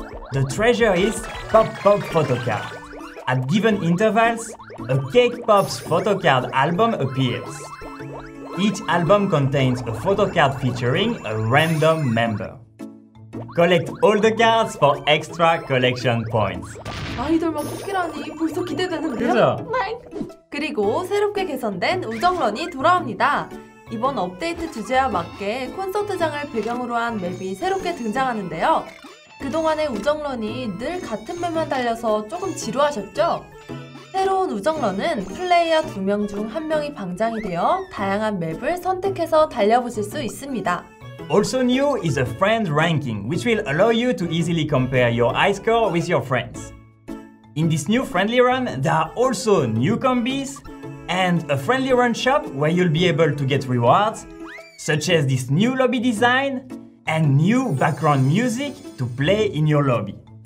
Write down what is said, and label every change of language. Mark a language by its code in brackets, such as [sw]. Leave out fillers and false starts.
[en] The treasure is Pop Pop Photocard. At given intervals, a Cake Pop's photocard album appears. Each album contains a photocard featuring a random member. Collect all the cards for extra collection points. [ko] 아이돌만 쿠키라니 벌써 기대되는데요? 그리고 새롭게 개선된 우정런이 돌아옵니다. 이번 업데이트 주제와 맞게 콘서트장을 배경으로 한 맵이 새롭게 등장하는데요. 그동안의 우정런이 늘 같은 맵만 달려서 조금 지루하셨죠? 새로운 우정런은 플레이어 2명 중 1명이 방장이 되어 다양한 맵을 선택해서 달려보실 수 있습니다. [en] Also new is a friend ranking, which will allow you to easily compare your high score with your friends. In this new friendly run, there are also new combis and a friendly run shop where you'll be able to get rewards, such as this new lobby design and new background music to play in your lobby.